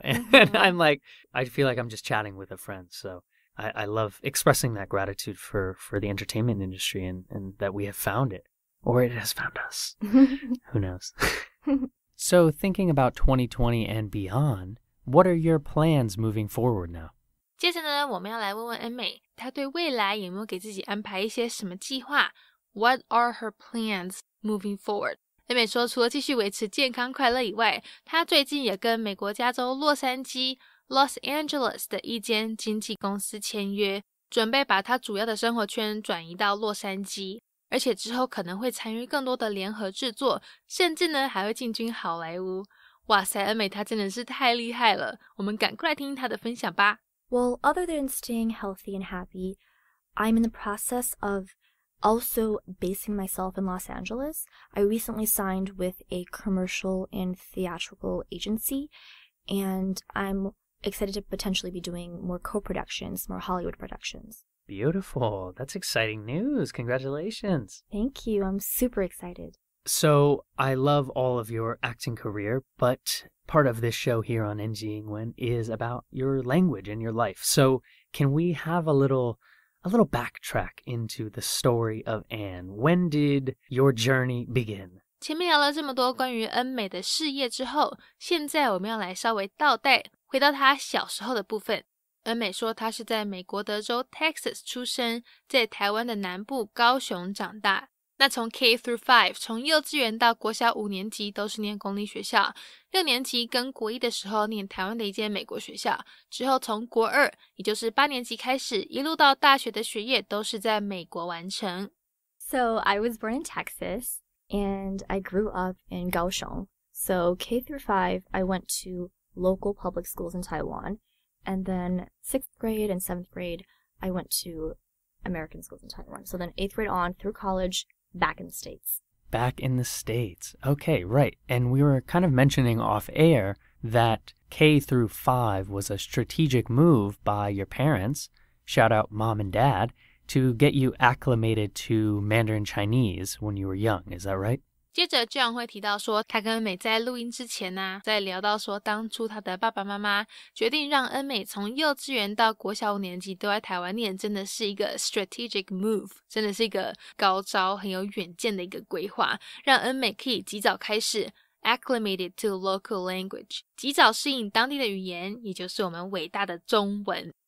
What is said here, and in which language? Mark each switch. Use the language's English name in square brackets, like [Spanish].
[English] And I'm like, I feel like I'm just chatting with a friend, so... I love expressing that gratitude for the entertainment industry and that we have found it, or it has found us. Who knows? So thinking about 2020 and beyond, what are your plans moving forward now? [Chinese] 接着呢，我们要来问问恩美，她对未来有没有给自己安排一些什么计划？ [English] What are her plans moving forward? [Chinese] 恩美说，除了继续维持健康快乐以外，她最近也跟美国加州洛杉矶Los Angeles 的一间经纪公司签约，准备把他主要的生活圈转移到洛杉矶，而且之后可能会参与更多的联合制作，甚至呢还会进军好莱坞。哇塞，恩美她真的是太厉害了，我们赶快来听她的分享吧。 [English] Well, other than staying healthy and happy, I'm in the process of also basing myself in Los Angeles. I recently signed with a commercial and theatrical agencyAnd I'm excited to potentially be doing more co-productions, more Hollywood productions. Beautiful. That's exciting news. Congratulations. Thank you. I'm super excited. So I love all of your acting career, but part of this show here on NG Ingwen is about your language and your life. So can we have a little backtrack into the story of Anne? When did your journey begin? [Chinese] 前面聊了这么多关于恩美的事业之后，现在我们要来稍微倒带，回到她小时候的部分。恩美说她是在美国德州 Texas 出生，在台湾的南部高雄长大。那从 [English] K through 5， [Chinese] 从幼稚园到国小五年级都是念公立学校，六年级跟国一的时候念台湾的一间美国学校，之后从国二，也就是八年级开始，一路到大学的学业都是在美国完成。 [English] So I was born in Texas. And I grew up in Kaohsiung. So K through 5, I went to local public schools in Taiwan. And then 6th grade and 7th grade, I went to American schools in Taiwan. So then 8th grade on through college, back in the States. Back in the States. Okay, right. And we were kind of mentioning off air that K through 5 was a strategic move by your parents, shout out mom and dad,to get you acclimated to Mandarin Chinese when you were young, is that right? [Chinese] 接着 John 会提到说，他跟恩美在录音之前呢、啊，在聊到说，当初他的爸爸妈妈决定让恩美从幼稚园到国小五年级都在台湾念，真的是一个 [English] strategic move， [Chinese] 真的是一个高招，很有远见的一个规划，让恩美可以及早开始 [English] acclimated to local language， [Chinese] 及早适应当地的语言，也就是我们伟大的中文。